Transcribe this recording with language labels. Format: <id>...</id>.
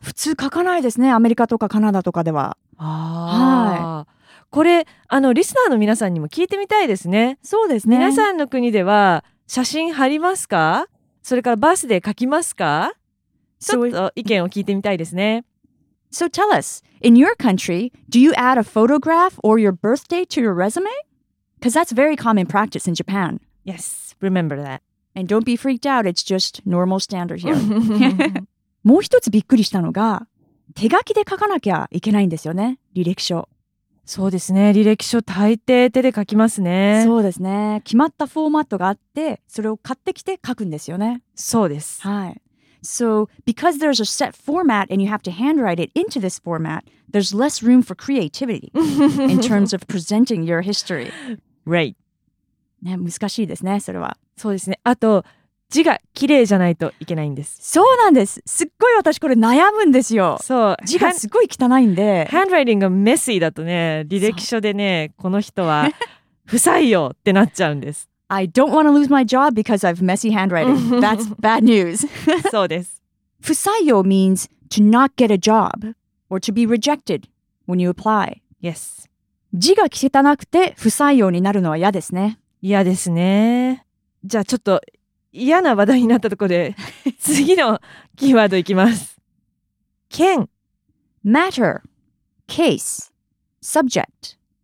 <ja>普通書かないですね、アメリカとかカナダとかでは。あ、はい、これリスナーの皆さんにも聞いてみたいですね。そうですね。皆さんの国では写真貼りますか？それからバースデー書きますか？ちょっと意見を聞いてみたいですね。</ja> <en>So tell us, in your country, do you add a photograph or your birthday to your resume? Because that's very common practice in Japan. Yes, remember that. And don't be freaked out. It's just normal standard here.</en> <ja>もう一つびっくりしたのが、手書きで書かなきゃいけないんですよね、履歴書。そうですね、履歴書大抵手で書きますね。そうですね、決まったフォーマットがあって、それを買ってきて書くんですよね。そうです、はい。 So because there's a set format and you have to handwrite it into this format, there's less room for creativity in terms of presenting your history. Right. ね、難しいですね、それは。そうですね。あと字が綺麗じゃないといけないんです。そうなんです。すっごい私これ悩むんですよ。そう、字がすごい汚いんで、ハンドライティングがメッシーだとね、履歴書でね、この人は不採用ってなっちゃうんです。</ja> <en>I don't want to lose my job because I've messy handwriting. That's bad news.</en> <ja>そうです。</ja> <en>不採用 means to not get a job or to be rejected when you apply. Yes.</en> <ja>字が汚くて不採用になるのは嫌ですね。嫌ですね。じゃあちょっと嫌な話題になったところで次のキーワードいきます。件、</ja> <en>matter、 case、 subject。</en>